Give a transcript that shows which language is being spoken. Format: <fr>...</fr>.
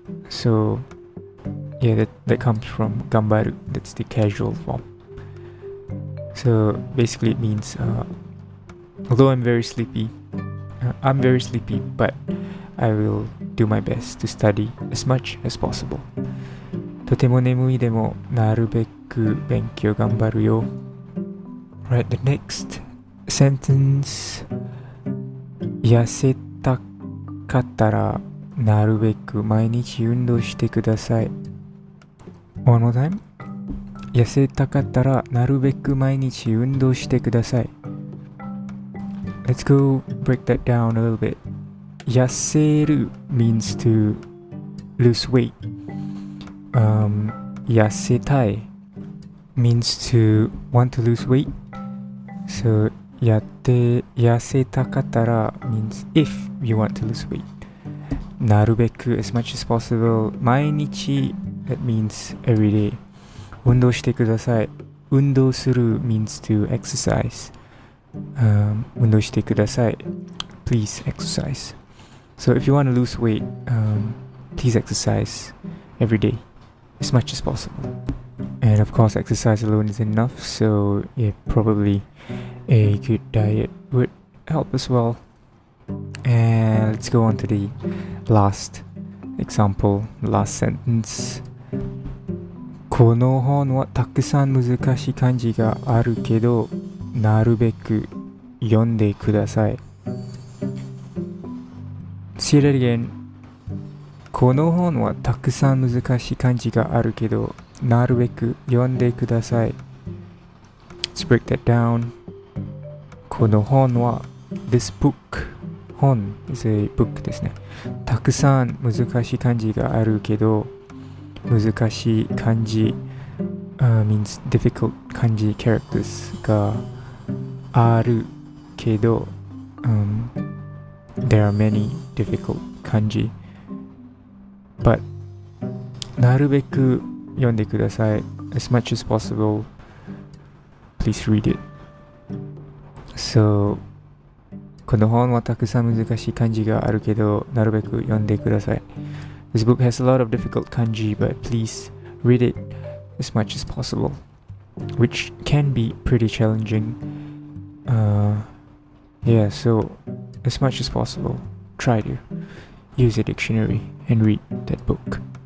<en>So yeah, that comes from 頑張る. That's the casual form. So basically it means although I'm very sleepy, but I will do my best to study as much as possible.</en> <ja>とても眠いでもなるべく勉強頑張るよ。</ja> <en>Right, the next sentence.</en> <ja>痩せたかったらなるべく毎日運動してください。</ja> <en>One more time.</en> <ja>痩せたかったらなるべく毎日運動してください。</ja> <en>Let's go break that down a little bit. 痩せる means to lose weight. 痩せたい means to want to lose weight. So,</en> <ja>やって痩せたかったら</ja> <en>means if you want to lose weight. なるべく as much as possible. 毎日 that means every day.</en> <ja>運動してください。</ja> <en>運動する means to exercise.</en> <ja>運動してください。</ja> <en>Please exercise. So if you want to lose weight, please exercise every day. As much as possible. And of course, exercise alone is enough. So yeah, probably a good diet would help as well. And let's go on to the last example, last sentence.</en> <ja>この本はたくさん難しい漢字があるけど、なるべく読んでください。</ja> <en>See it again.</en> <ja>この本はたくさん難しい漢字があるけど、なるべく読んでください。</ja> <en>Let's break that down.</en> <ja>この本は、</ja> <en>this book, 本 is a book</en> <ja>ですね。たくさん難しい漢字があるけど、難しい漢字</ja> <en>means difficult</en> <ja>漢字 characters があるけど、</ja> <en>there are many difficult 漢字 but</en> <ja>なるべく読んでください</ja> <en>as much as possible please read it</en> <ja>so この本はたくさん難しい漢字があるけどなるべく読んでください</ja> <en>This book has a lot of difficult kanji, but please read it as much as possible. Which can be pretty challenging. Yeah, so as much as possible, try to use a dictionary and read that book.</en>